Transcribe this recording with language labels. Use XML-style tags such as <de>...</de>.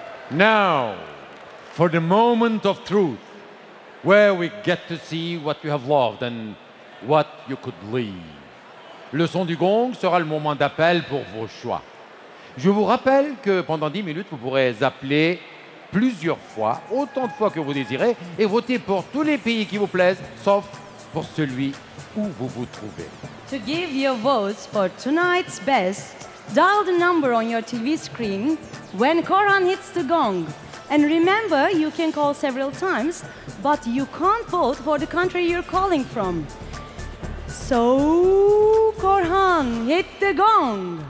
<en>Now, for the moment of truth, where we get to see what you have loved and what you could leave.</en> <fr>Le son du gong sera le moment d'appel pour vos choix. Je vous rappelle que pendant 10 minutes, vous pourrez appeler plusieurs fois, autant de fois que vous désirez, et voter pour tous les pays qui vous plaisent, sauf pour celui où vous vous trouvez.</fr> <en>To give your votes for tonight's best, dial the number on your TV screen when Koran hits the gong. And remember, you can call several times, but you can't vote for the country you're calling from. So, Koran, hit the gong.</en>